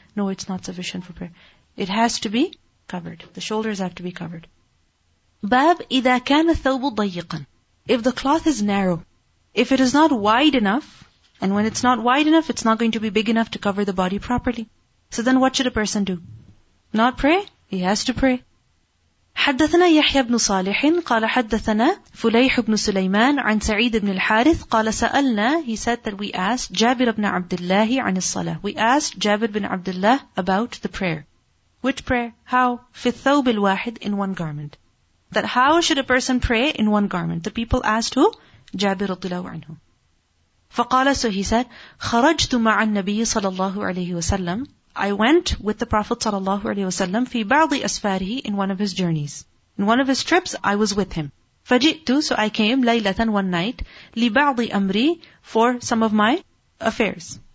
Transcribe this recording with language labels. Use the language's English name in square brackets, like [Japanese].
[English] No, it's not sufficient for prayer. It has to be covered. The shoulders have to be covered. Bab [Arabic] إِذَا كَانَ ثَوْبُ ضَيِّقًا. [English] If the cloth is narrow, if it is not wide enough, and when it's not wide enough, it's not going to be big enough to cover the body properly. So then what should a person do? Not pray? He has to pray. [Arabic] حدثنا يحيى بن صالح قال حدثنا فليح بن سليمان عن سعيد بن الحارث قال سألنا, [English] he said that we asked [Arabic] جابر بن عبد الله عن الصلاة. [English] We asked جابر بن عبد الله about the prayer. Which prayer? How? [Arabic] في الثوب الواحد, [English] in one garment. That how should a person pray in one garment? The people asked who? جابر رضي الله عنه. [Arabic] فقال, [English] so he said, [Arabic] خرجت مع النبي صلى الله عليه وسلم. [English] I went with the Prophet sallallahu alaihi wasallam [Arabic] fi ba'di asfarihi, [English] in one of his journeys. In one of his trips, I was with him. [Arabic] Fajitu, [English] so I came, [Arabic] laylatan, [English] one night, [Arabic] li ba'di amri, [English] for some of my affairs.